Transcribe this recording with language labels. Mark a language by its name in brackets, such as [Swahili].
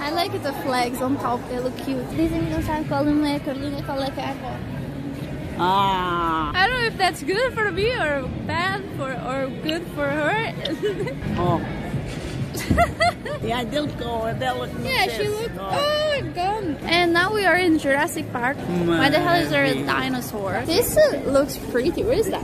[English] I like the flags on top, they look cute. [Portuguese] Dizem que não sabe qual é a Carolina, qual é a avó. Ah. [English] I don't know if that's good for me or bad for or good for her. Yeah, she looked. Oh, gone. And now we are in Jurassic Park. Why the hell is there a dinosaur? This looks pretty. Where is that?